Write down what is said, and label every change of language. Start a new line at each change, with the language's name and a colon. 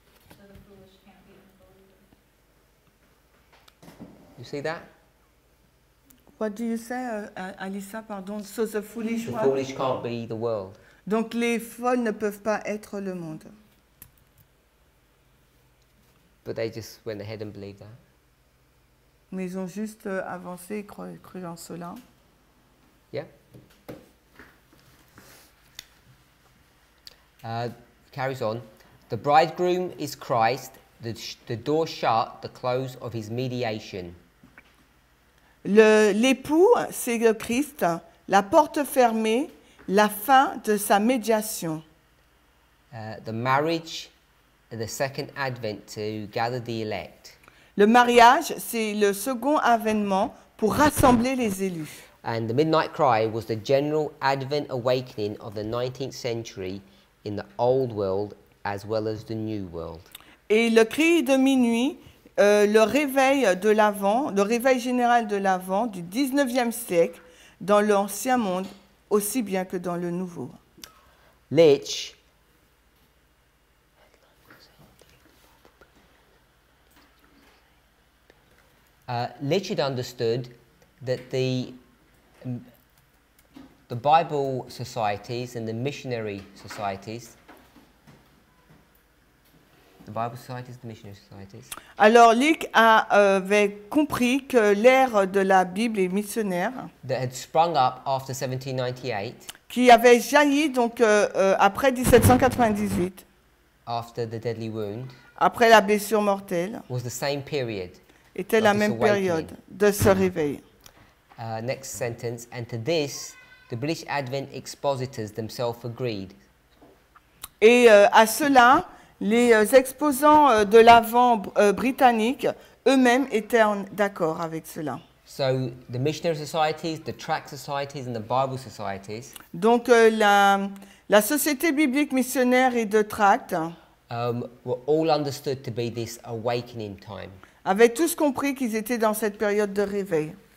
English: So the foolish can't be the world. You see that? What do you say, Alissa, pardon? So the foolish, the foolish can't be the world.
French: Donc les folles ne peuvent pas être le monde.
English: But they just went ahead and believed that.
French: Mais ils ont juste avancé et cru en cela.
English: Yeah. Carries on. The bridegroom is Christ, the door shut, the close of his mediation.
French: L'époux, c'est le Christ, la porte fermée, la fin de sa médiation.
English: The marriage, the second advent to gather the elect.
French: Le mariage, c'est le second avènement pour rassembler les élus.
English: And the midnight cry was the general advent awakening of the 19th century in the old world as well as the new world.
French: Et le cri de minuit, le réveil de l'avant, le réveil général de l'avant du 19e siècle dans l'ancien monde aussi bien que dans le nouveau.
English: Lich. Lich had understood that the Bible societies and the missionary societies. The Bible societies, the missionary societies.
French: Alors, Lich avait compris que l'ère de la Bible est missionnaire.
English: That had sprung up after 1798.
French: Qui avait jailli donc après 1798.
English: After the deadly wound.
French: Après la blessure mortelle.
English: Was the same period.
French: Était la même période de ce réveil.
English: Next sentence. And to this, the British Advent expositors themselves agreed.
French: Et à cela, les exposants de l'avant britannique eux-mêmes étaient d'accord avec cela.
English: So the missionary societies, the tract societies, and the Bible societies.
French: Donc la société biblique missionnaire et de tract.
English: Were all understood to be this awakening time.
French: Avaient tous compris qu'ils étaient dans cette période de réveil.